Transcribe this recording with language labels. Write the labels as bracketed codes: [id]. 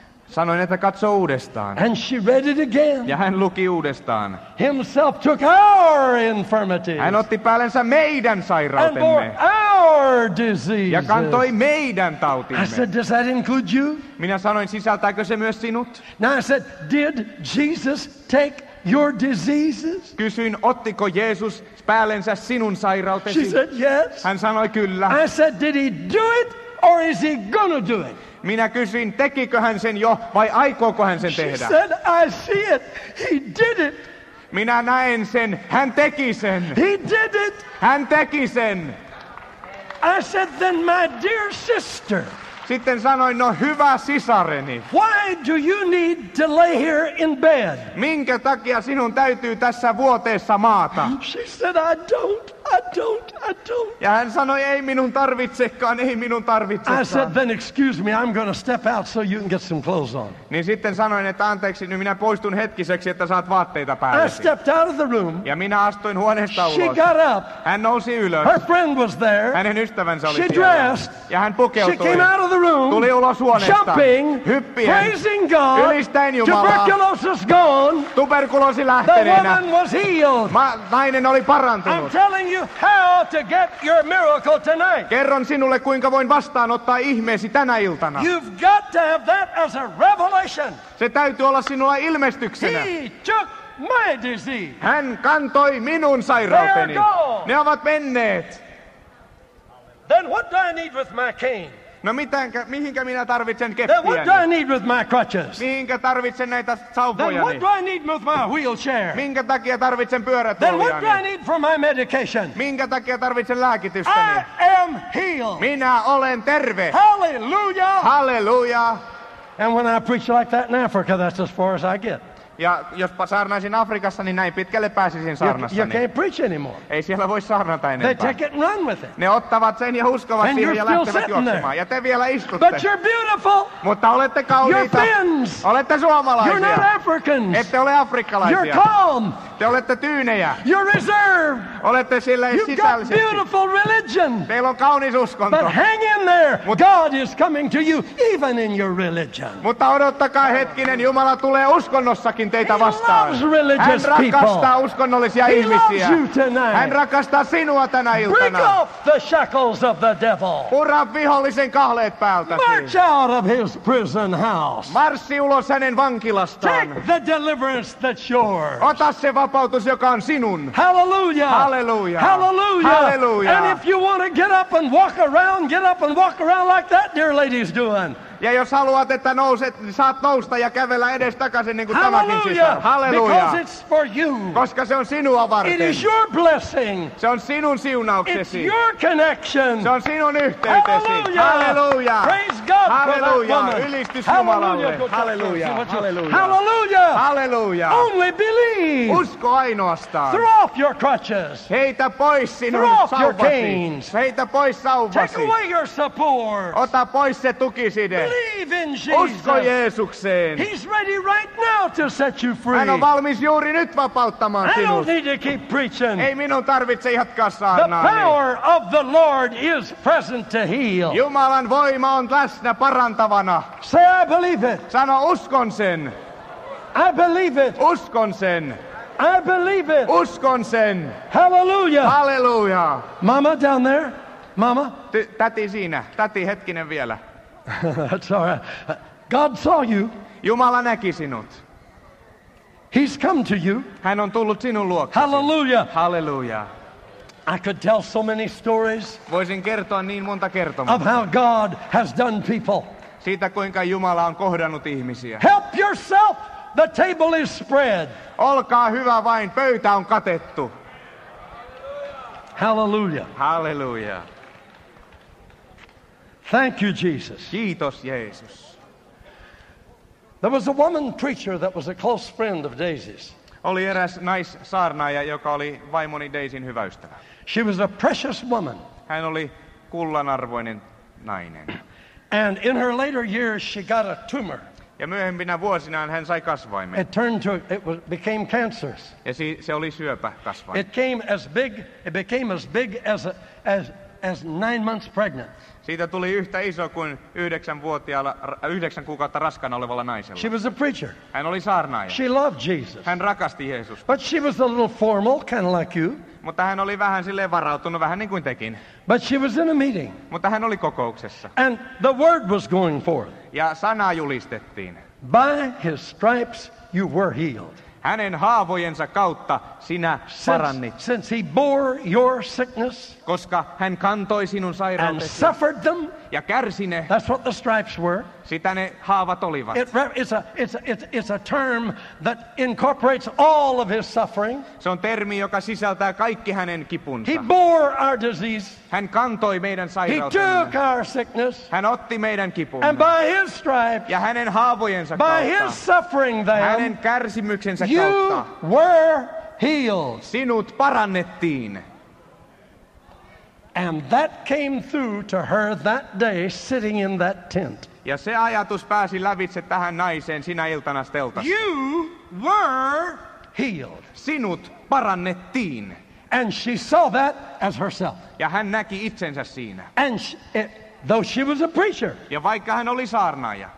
[fi] Sanoin, että katso uudestaan. [en] And she read it again. [fi] Ja hän luki uudestaan. [en] Himself took our infirmities. [fi] Hän otti päällensä meidän sairautemme. [en] And bore our diseases. [fi] Ja kantoi meidän tautimme. [en] I said, does that include you? [fi] Minä sanoin, sisältääkö se myös sinut? [en] Now I said, did Jesus take your diseases? [fi] Kysyin, ottiko Jeesus päällensä sinun sairautesi? [en] She said, yes. [fi] Hän sanoi, kyllä. [en] I said, did he do it or is he gonna do it? [fi] Minä kysyin, tekikö hän sen jo vai aikooko hän sen tehdä? [en] She said, I see it. He did it. [fi] Minä näen sen. Hän teki sen. [en] He did it. [fi] Hän teki sen. [en] I said, then my dear sister. [fi] Sitten sanoin, no hyvä sisareni. [en] Why do you need to lay here in bed? [fi] Minkä takia sinun täytyy tässä vuoteessa maata? [en] She said, I don't, I don't, I don't. [fi] Ja hän sanoi, ei minun tarvitsekaan, ei minun tarvitsekaan. [en] I said, then excuse me, I'm going to step out so you can get some clothes on. [fi] Niin sitten sanoin, että anteeksi, nyt minä poistun hetkiseksi, että saat vaatteita päällesi. [en] I stepped out of the room. [fi] Ja minä astuin huoneesta ulos. [en] She got up. [fi] Hän nousi ylös. [en] Her friend was there. [fi] Hänen ystävänsä oli [en] she [fi] siellä. [en] She dressed. [fi] Ja hän pukeutui. [en] She came out of the room, [fi] tuli ulos huoneesta, [en] jumping, [fi] hyppien, [en] praising God, [fi] ylistäen Jumalaa. [en] Tuberculosis gone. [fi] Tuberkuloosi lähteneenä. [en] The woman was healed. [fi] Nainen oli parantunut. [en] I'm telling you how to get your miracle tonight. [fi] Kerron sinulle, kuinka voin vastaanottaa ihmeesi tänä iltana. [en] You've got to have that as a revelation. [fi] Se täytyy olla sinulla ilmestyksenä. [en] He took my disease. [fi] Hän kantoi minun sairauteni. Ne ovat menneet. [en] Then what do I need with my cane? [fi] No mihinkä minä tarvitsen keppiäni? [en] Then what do I need with my crutches? [fi] Mihinkä tarvitsen näitä sauvojani? [en] Then what do I need with my wheelchair? [fi] Minkä takia tarvitsen pyörätuoliani? [en] Then what do I need for my medication? [fi] Minkä takia tarvitsen lääkitystäni? [en] I am healed. [fi] Minä olen terve. Hallelujah. Hallelujah. [en] And when I preach like that in Africa, that's as far as I get. [fi] Ja jos saarnaisin Afrikassa, niin näin pitkälle pääsisin saarnassani. [en] You can't preach anymore. [fi] Ei siellä voi saarnata enempää. [en] They take it and run with it. [fi] Ne ottavat sen ja uskovat [en] and [fi] siihen ja lähtevät juoksemaan. [en] There. [fi] Ja te vielä istutte. [en] But you're beautiful. [fi] Mutta olette kauniita. [en] You're Finns. [fi] Olette suomalaisia. [en] You're not Africans. [fi] Ette ole afrikkalaisia. [en] You're calm. [fi] Te olette tyynejä. [en] You're reserved. [fi] Olette sillä sisällisesti. [en] You've got beautiful religion. [fi] Teillä on kaunis uskonto. [en] But hang in there. God is coming to you even in your religion. [fi] Mutta odottakaa hetkinen. Jumala tulee uskonnossakin teitä vastaan. [en] He loves religious people. [fi] Hän rakastaa uskonnollisia ihmisiä. [en] He loves you tonight. [fi] Hän rakastaa sinua tänä iltana. [en] Break off the shackles of the devil. [fi] Pura vihollisen kahleet päältäsi. [en] March out of his prison house. [fi] Marssi ulos hänen vankilastaan. [en] Take the deliverance that's yours. [fi] Ota se vapautus, joka on sinun. Hallelujah. Hallelujah. Hallelujah. Hallelujah. [en] And if you want to get up and walk around like that dear lady's doing. [fi] Ja jos haluat, että nouset, niin saat nousta ja kävellä edes takaisin, niin kuin hallelujah. Tämäkin sisään. Hallelujah. [en] Because it's for you. [fi] Koska se on sinua varten. [en] It is your blessing. [fi] Se on sinun siunauksesi. [en] It's your connection. [fi] Se on sinun yhteytesi. Hallelujah. Hallelujah. [en] Praise God hallelujah. For that woman. [fi] Ylistys Jumalalle. Hallelujah. Hallelujah. Hallelujah. Hallelujah. [en] Only believe. [fi] Usko ainoastaan. [en] Throw off your crutches. [fi] Heitä pois sinun [en] throw off [fi] sauvasi. [en] Your canes. [fi] Heitä pois sauvasi. [en] Take away your support. [fi] Ota pois se tukisi. [en] Believe Believe in Jesus. [fi] Usko Jeesukseen. [en] He's ready right now to set you free. [fi] Hän on valmis juuri nyt vapauttamaan sinut. [en] I don't need to keep preaching. [fi] Ei minun tarvitse jatkaa saarnaani. [en] The power of the Lord is present to heal. [fi] Jumalan voima on läsnä parantavana. [en] Say I believe it. [fi] Sano uskon sen. [en] I believe it. [fi] Uskon sen. [en] I believe it. [fi] Uskon sen. Hallelujah. Hallelujah. [en] Mama down there. Mama. [fi] Täti siinä. Täti hetkinen vielä. [en] That's all right. God saw you. [fi] Jumala näki sinut. [en] He's come to you. [fi] Hän on tullut sinun luoksesi. Hallelujah. Hallelujah. [en] I could tell so many stories. [fi] Voisin kertoa niin monta kertomusta. [en] Of how God has done people. [fi] Siitä kuinka Jumala on kohdannut ihmisiä. [en] Help yourself. The table is spread. [fi] Olkaa hyvä vain, pöytä on katettu. Hallelujah. Hallelujah. [en] Thank you, Jesus. [fi] Kiitos, Jeesus. [en] There was a woman preacher that was a close friend of Daisy's. [fi] Oli eräs naissaarnaaja, joka oli vaimoni Daisyn hyvä ystävä. [en] She was a precious woman. [fi] Hän oli kullanarvoinen nainen. [en] And in her later years, she got a tumor. [fi] Ja myöhempinä vuosinaan hän sai kasvaimen. [en] It turned to became cancerous. [fi] Ja se oli syöpä kasvain. [en] It came as big, it became as big as 9 months pregnant. [fi] Siitä tuli yhtä iso kuin 9 kuukautta raskaana olevalla naisella. [en] She was a preacher. [fi] Hän oli saarnaaja. [en] She loved Jesus. [fi] Hän rakasti Jeesusta. [en] But she was a little formal, kind of like you. [fi] Mutta hän oli vähän silleen varautunut, vähän niin kuin tekin. [en] But she was in a meeting. [fi] Mutta hän oli kokouksessa. [en] And the word was going forth. [fi] Ja sana julistettiin. [en] By his stripes you were healed. [fi] Hänen haavojensa kautta sinä parannit. [en] Since he bore your sickness. [fi] Koska hän kantoi sinun sairautesi. [en] And suffered them. [fi] Ja kärsi ne. [en] That's what the stripes were. [fi] Sitä ne haavat olivat. [en] It's a term that incorporates all of his suffering. [fi] Se on termi, joka sisältää kaikki hänen kipunsa. [en] He bore our disease. [fi] Hän kantoi meidän sairautemme. [en] He took our sickness. [fi] Hän otti meidän kipumme. [en] And by his stripes. [fi] Ja hänen haavojensa kautta. [en] By his suffering them. [fi] Hänen kärsimyksensä kautta. [en] You were healed. [fi] Sinut parannettiin. [en] And that came through to her that day sitting in that tent. [fi] Ja se ajatus pääsi lävitse tähän naiseen sinä iltana steltassa. [en] You were healed. [fi] Sinut parannettiin. [en] And she saw that as herself. [fi] Ja hän näki itsensä siinä. [en] And though she was a preacher. [fi] Ja vaikka hän oli saarnaaja.